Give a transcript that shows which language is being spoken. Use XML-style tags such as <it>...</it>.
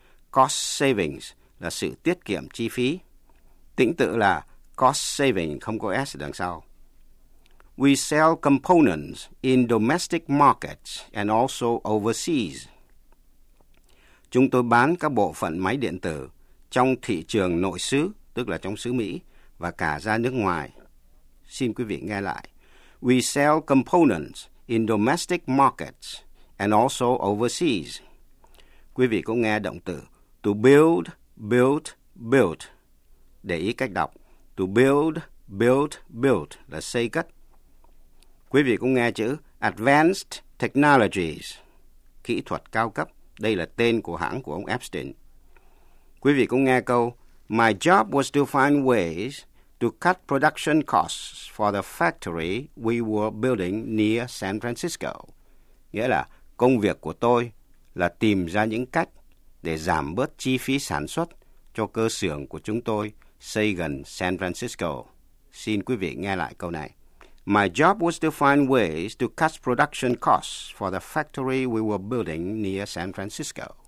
<vi>Cost savings là sự tiết kiệm chi phí. Tĩnh tự là cost saving, không có S đằng sau.</vi> <en>We sell components in domestic markets and also overseas.</en> <vi>Chúng tôi bán các bộ phận máy điện tử trong thị trường nội xứ, tức là trong xứ Mỹ, và cả ra nước ngoài. Xin quý vị nghe lại.</vi> <en>We sell components in domestic markets and also overseas.</en> <vi>Quý vị cũng nghe động từ to build, built, built. Để ý cách đọc, to build, built, built là xây cất. Quý vị cũng nghe chữ advanced technologies, kỹ thuật cao cấp. Đây là tên của hãng của ông Epstein. Quý vị cũng nghe câu</vi> <en>my job was to find ways to cut production costs for the factory we were building near San Francisco.</en> <vi>nghĩa là công việc của tôi là tìm ra những cách để giảm bớt chi phí sản xuất cho cơ xưởng của chúng tôi xây gần San Francisco. Xin quý vị nghe lại câu này.</vi> <en>My job was to find ways to cut production costs for the factory we were building near San Francisco.</en>